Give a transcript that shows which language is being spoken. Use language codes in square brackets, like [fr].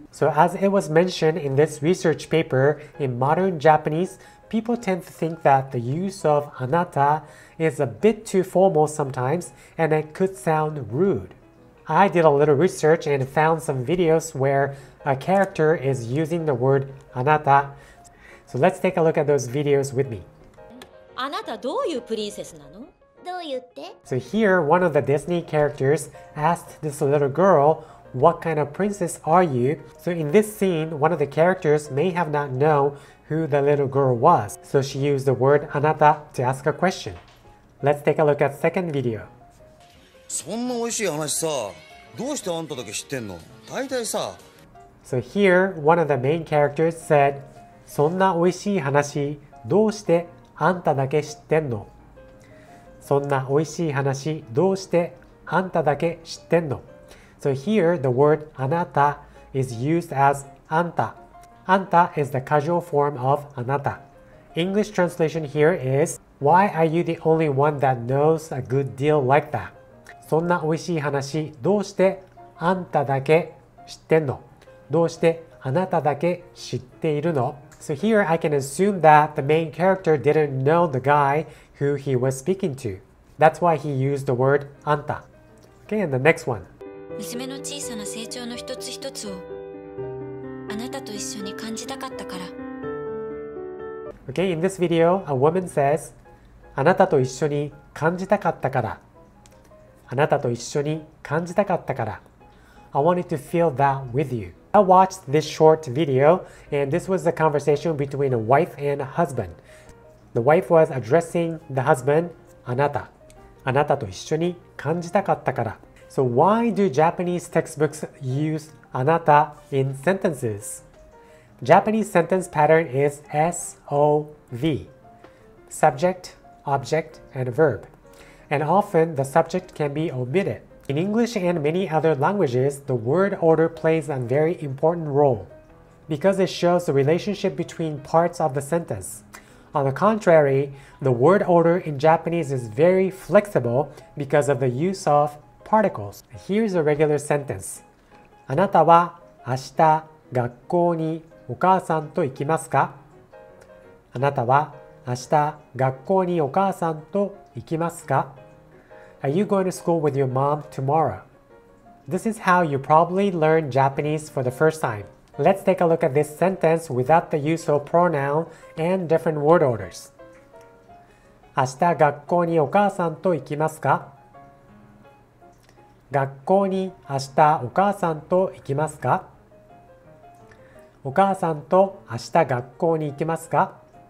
[en] So as it was mentioned in this research paper, in modern Japanese, people tend to think that the use of anata is a bit too formal sometimes and it could sound rude. I did a little research and found some videos where a character is using the word anata. So let's take a look at those videos with me. [ja] あなたどういうプリンセスなの? どう言って? [en] So here, one of the Disney characters asked this little girl, what kind of princess are you? So in this scene, one of the characters may have not known who the little girl was. So she used the word anata to ask a question. Let's take a look at the second video. [ja] そんな美味しい話さ、どうしてあんただけ知ってんの? 大体さ。 So here, one of the main characters said, そんな美味しい話、どうしてあんただけ知ってんの? そんな美味しい話、どうしてあんただけ知ってんの? [en] So here, the word anata is used as あんた。あんた is the casual form of あなた。 English translation here is, why are you the only one that knows a good deal like that? [ja] そんな美味しい話、どうしてあんただけ知ってんの? どうしてあなただけ知っているの? [en] So here I can assume that the main character didn't know the guy who he was speaking to. That's why he used the word あんた。Okay, and the next one. [ja] 娘の小さな成長の一つ一つをあなたと一緒に感じたかったから。 [en] Okay, in this video, a woman says [ja] あなたと一緒に感じたかったから。あなたと一緒に感じたかったから。 [en] I wanted to feel that with you. I watched this short video, and this was the conversation between a wife and a husband. The wife was addressing the husband, Anata. Anata [ja] と一緒に感じたかったから。 [en] So why do Japanese textbooks use Anata in sentences? Japanese sentence pattern is SOV. Subject, object, and verb. And often the subject can be omitted. In English and many other languages, the word order plays a very important role because it shows the relationship between parts of the sentence. On the contrary, the word order in Japanese is very flexible because of the use of particles. Here's a regular sentence. [ja] あなたは明日学校にお母さんと行きますか? あなたは明日学校にお母さんと行きますか? [en] Are you going to school with your mom tomorrow? This is how you probably learn Japanese for the first time. Let's take a look at this sentence without the use of pronoun and different word orders. [ja] 明日学校にお母さんと行きますか?学校に明日お母さんと行きますか? お母さんと明日学校に行きますか?